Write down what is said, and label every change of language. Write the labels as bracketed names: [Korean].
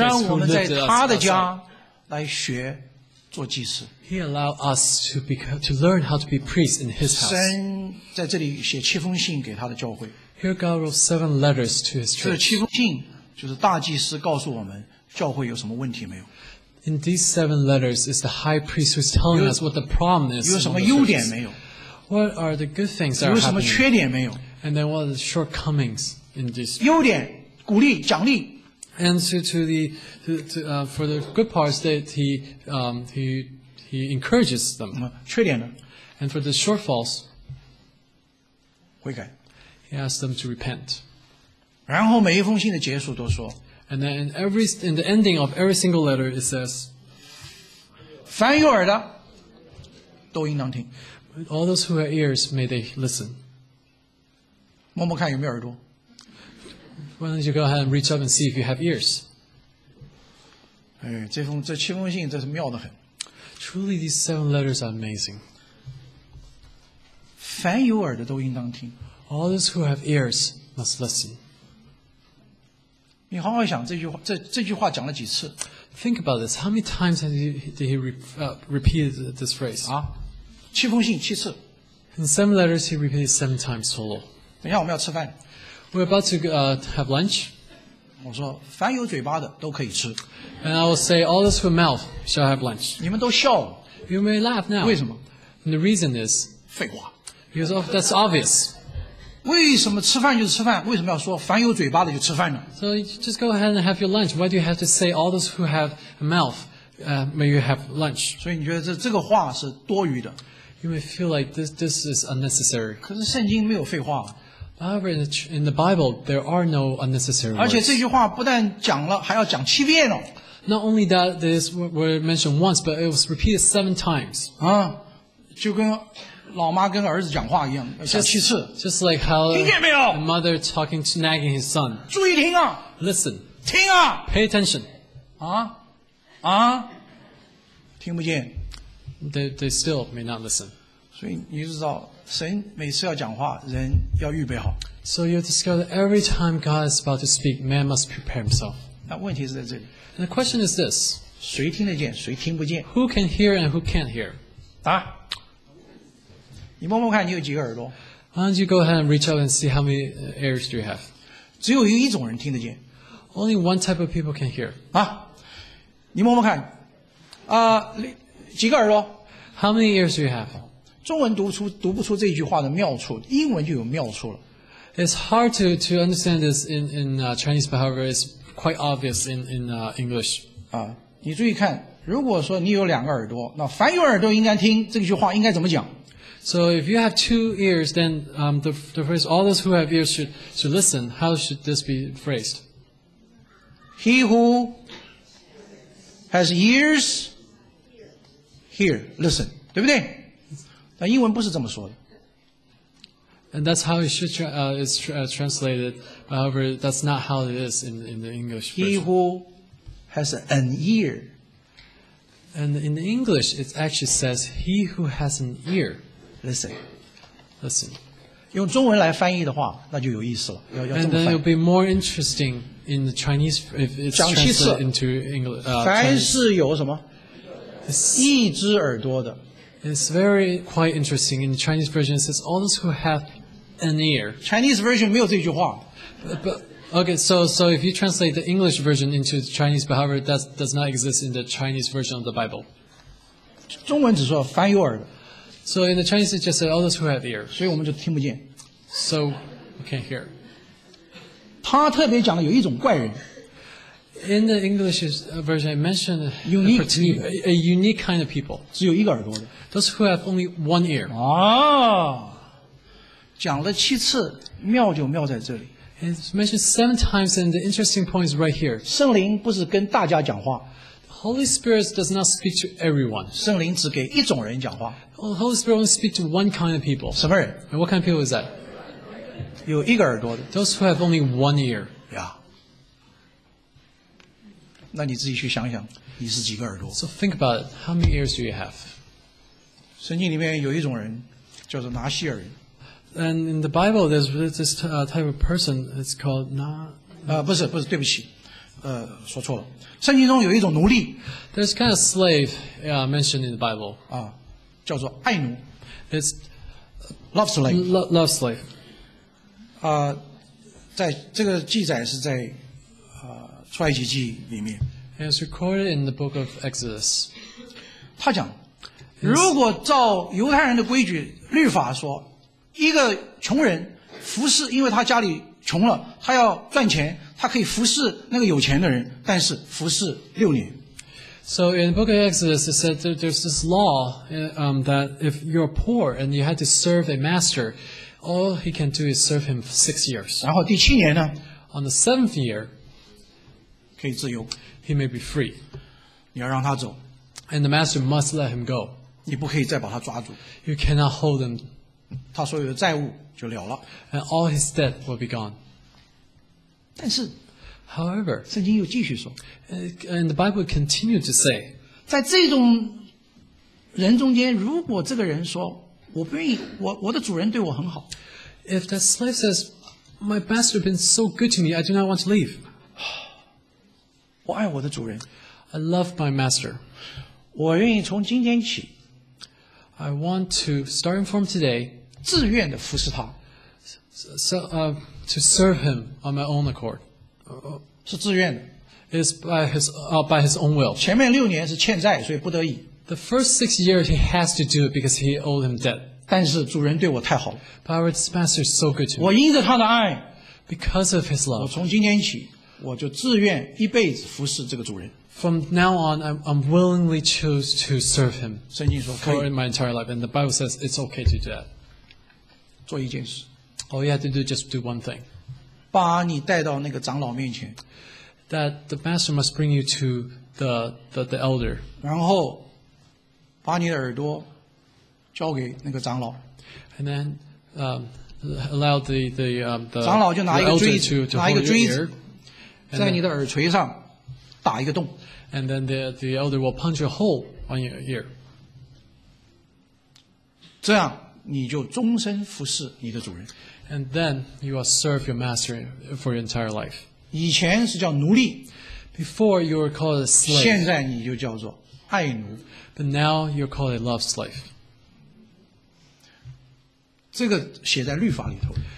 [Chinese] 让我们在他的家来学做祭司。 [English] He allowed us to learn how to be priests in His house. [Chinese] 神在这里写七封信给他的教会。 [English] Here God wrote seven letters to his church. [Chinese] 这七封信就是大祭司告诉我们教会有什么问题没有。 [English] In these seven letters, it's the high priest who's telling us what the problem is. [Chinese] 有什么优点没有？ [English] What are the good things that are happening? [Chinese] 有什么缺点没有？ [English] And then what are the shortcomings in this? [Chinese] 优点，鼓励，奖励。 [English] And for the good parts that he encourages them. [Chinese] 缺点呢？ [English] And for the shortfalls, [Chinese] 悔改。 [English] He asked them to repent. [Chinese] 然后每一封信的结束都说 [English] And then in the ending of every single letter it says [Chinese] 凡有耳的都应当听 [English] All those who have ears, may they listen. [Chinese] 摸摸看有没有耳朵 [English] Why don't you go ahead and reach up and see if you have ears? [Chinese] 哎，这七封信真是妙得很 [English] Truly these seven letters are amazing. [Chinese] 凡有耳的都应当听 [English] All those who have ears must listen. [Chinese] 你好好想这句话讲了几次 [English] Think about this. How many times did he repeat this phrase? [Chinese] 啊，七封信七次 [English] In seven letters, he repeated seven times total. [Chinese] 等一下我们要吃饭 [English] We're about to have lunch. [Chinese] 我说凡有嘴巴的都可以吃 [English] And I will say all those who have mouth shall have lunch. [Chinese] 你们都笑 [English] You may laugh now. [Chinese] 为什么 [English] And the reason is [Chinese] 废话 [English] Because that's obvious. [Chinese] 为什么吃饭就是吃饭？为什么要说凡有嘴巴的就吃饭呢 [English] ？So just go ahead and have your lunch. Why do you have to say all those who have a mouth, may you have lunch? [Chinese] 所以你觉得这个话是多余的 [English] ？You may feel like this is unnecessary. [Chinese] 可是圣经没有废话。 [English] However, in the Bible, there are no unnecessary words. [Chinese] 而且这句话不但讲了，还要讲七遍哦。 [English] Not only that, this was mentioned once, but it was repeated 7 times. [Chinese] 啊，就跟老妈跟儿子讲话一样，讲七次。 [English] Just like how the mother talking to nagging his son. [Chinese] 注意听啊 [English] ！Listen. [Chinese] 听啊 [English] ！Pay attention. [Chinese] 啊啊，听不见。 [English] They still may not listen. [Chinese] 所以你知道。神每次要讲话，人要预备好。 [English] So you discover that every time God is about to speak, man must prepare himself. [Chinese] 那问题是在这里。 [English] And the question is this: [Chinese] 谁听得见，谁听不见 [English] ？Who can hear and who can't hear? [Chinese] 答。你摸摸看，你有几个耳朵 [English] ？Why don't you go ahead and reach out and see how many ears do you have? [Chinese] 只有一种人听得见。 [English] Only one type of people can hear. [Chinese] 啊，你摸摸看，啊，几个耳朵 [English] ？How many ears do you have? [Chinese] 中文读不出这句话的妙处，英文就有妙处了。 [English] It's hard to understand this in Chinese, but however, it's quite obvious in English. [Chinese] 啊，你注意看，如果说你有两个耳朵，那凡有耳朵应该听这句话应该怎么讲 [English] ？So if you have two ears, then the phrase "all those who have ears should listen." How should this be phrased? He who has ears, hear, listen, [Chinese] 对不对？但英文不是这么说的。 [English] And that's how it should is translated. However, that's not how it is in the English version. He who has an ear. And in the English, it actually says he who has an ear. Listen. Listen. [Chinese] 用中文来翻译的话，那就有意思了。 [English] And then it'll be more interesting in the Chinese if it's translated into English. [Chinese] 凡是有什么一只耳朵的。 [English] It's very quite interesting. In the Chinese version, it says all those who have an ear. Chinese version [Chinese] 没有这句话 [English] Okay, so if you translate the English version into Chinese, but however, that does not exist in the Chinese version of the Bible. [Chinese] 中文只说凡有耳的 [English] So in the Chinese, it just says all those who have ears. [Chinese] 所以我们就听不见 [English] So we can't hear. [Chinese] 他特别讲了有一种怪人 [English] In the English version, it mentioned a unique kind of people. [Chinese] 只有一个耳朵的 [English] Those who have only one ear. [Chinese] 啊，讲了七次，妙就妙在这里。 [English] It's mentioned 7 times, and the interesting point is right here. [Chinese] 圣灵不是跟大家讲话。 [English] Holy Spirit does not speak to everyone. [Chinese] 圣灵只给一种人讲话。 [English] Holy Spirit only speaks to one kind of people. [Chinese] 什么人 [English] ？And what kind of people is that? [Chinese] 有一个耳朵的。 [English] Those who have only one ear. Yeah. [Chinese] 那你自己去想想，你是几个耳朵 [English] ？So think about it. How many ears do you have? [Chinese] 圣经里面有一种人叫做拿细耳人。 [English] And in the Bible, there's this type of person. It's called [Chinese] 不是，对不起，说错了。圣经中有一种奴隶。 [English] There's kind of slave mentioned in the Bible. [Chinese] 啊，叫做爱奴。 [English] It's love slave. Love slave. [Chinese] 啊，在这个记载是在出埃及记里面。 [English] It's recorded in the book of Exodus. [Chinese] 他讲。如果照犹太人的规矩律法说，一个穷人服侍，因为他家里穷了，他要赚钱，他可以服侍那个有钱的人，但是服侍六年。 [English] So in the book of Exodus, it said there's this law that if you're poor and you had to serve a master, all he can do is serve him 6 years. [Chinese] 然后第七年呢 [English] ？On the seventh year, [Chinese] 可以自由。 [English] He may be free. [Chinese] 你要让他走。 [English] And the master must let him go. [Chinese] 你不可以再把他抓住。 [English] You cannot hold him. [Chinese] 他所有的债务就了了。 [English] And all his debt will be gone. [Chinese] 但是 [English] ，However， [Chinese] 圣经又继续说 [English] ，And the Bible continued to say， [Chinese] 在这种人中间，如果这个人说我不愿意，我的主人对我很好 [English] ，If that slave says my master has been so good to me, I do not want to leave. [Chinese] 我爱我的主人。 [English] I love my master. [Chinese] 我愿意从今天起。 [English] I want to start from today. [Chinese] 自愿的服侍他。 [English] So to serve him on my own accord. [Chinese] 是自愿的。 [English] Is by his own will. [Chinese] 前面六年是欠债，所以不得已。 [English] The first 6 years he has to do it because he owed him debt. [Chinese] 但是主人对我太好了。 [English] But our master is so good to me. [Chinese] 我因着他的爱 [English] ，because of his love， [Chinese] 我从今天起我就自愿一辈子服侍这个主人。 [English] From now on, I'm willingly choose to serve him. [Chinese] 圣经说可以。 [English] For my entire life, and the Bible says it's okay to do that. [Chinese] 做一件事。 [English] All you have to do just do one thing. [Chinese] 把你带到那个长老面前。 [English] That the master must bring you to the elder. [Chinese] 然后把你的耳朵交给那个长老。 [English] And then allow the [Chinese] 长老就拿一个锥子，拿一个锥子， [English] and、 [Chinese] 在你的耳垂上。打一个洞 [English] and then the elder will punch a hole on your ear. [Chinese] 这样你就终身服侍你的主人。 [English] And then you will serve your master for your entire life. [Chinese] 以前是叫奴隶。 [English] Before you were called a slave. [Chinese] 现在你就叫做爱奴。 [English] But now you're called a love slave. [Chinese] 这个写在律法里头。